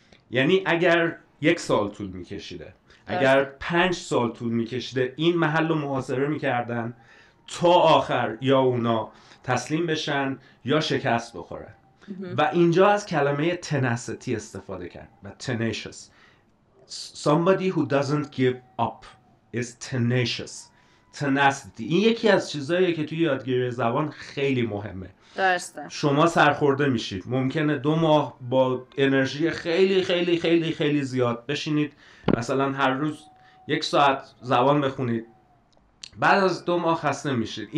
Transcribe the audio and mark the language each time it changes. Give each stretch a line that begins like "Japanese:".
Persian: یعنی اگر یک سال طول میکشیده، اگر درسته. 5 سال طول میکشیده، این محل رو محاصره میکردن تا آخر یا اونا تسلیم بشن یا شکست بخورن. و اینجا از کلمه تنسیتی استفاده کرد، و tenacious.
English: Somebody who doesn't give up is tenacious. Tenacity.
Persian: این یکی از چیزهایی که توی یادگیری زبان خیلی مهمه. درسته. شما سرخورده میشید، ممکنه 2 ماه با انرژی خیلی خیلی خیلی خیلی زیاد بشینید، مثلا هر روز 1 ساعت زبان بخونید، بعد از 2 ماه خسته میشید.